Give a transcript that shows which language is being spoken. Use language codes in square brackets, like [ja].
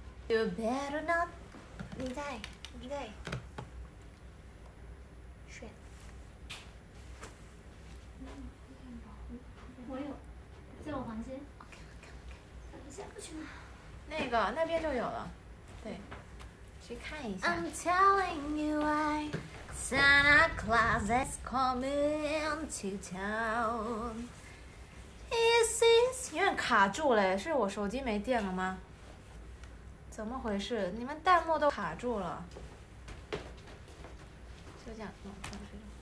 [en] You better not. [zh] 你在，你在。选。我有，在我房间。 OK OK OK。先不去吗？那个那边就有了，对，去看一下。 [en] I'm telling you why Santa Claus is coming to town. [zh] 因为卡住了，是我手机没电了吗？怎么回事？你们弹幕都卡住了。就这样弄上去。